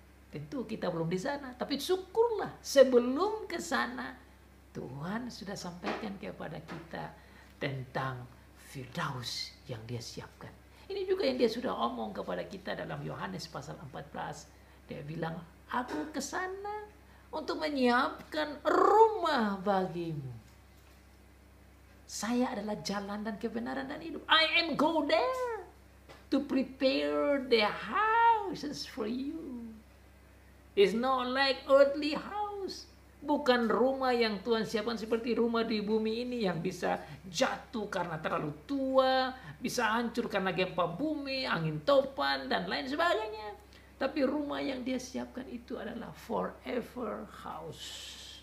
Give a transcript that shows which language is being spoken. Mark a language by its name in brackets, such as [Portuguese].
[Indonesian] Tentu kita belum di sana, tapi syukurlah sebelum ke sana Tuhan sudah sampaikan kepada kita tentang Firdaus yang Dia siapkan. Ini juga yang Dia sudah omong kepada kita dalam Yohanes pasal 14. Dia bilang, aku kesana untuk menyiapkan rumah bagimu. Saya adalah jalan dan kebenaran dan hidup. [English] I am go there to prepare the houses for you. It's not like earthly house. [Indonesian] Bukan rumah yang Tuhan siapkan seperti rumah di bumi ini yang bisa jatuh karena terlalu tua, bisa hancur karena gempa bumi, angin topan, dan lain sebagainya. Tapi rumah yang Dia siapkan itu adalah [English] forever house.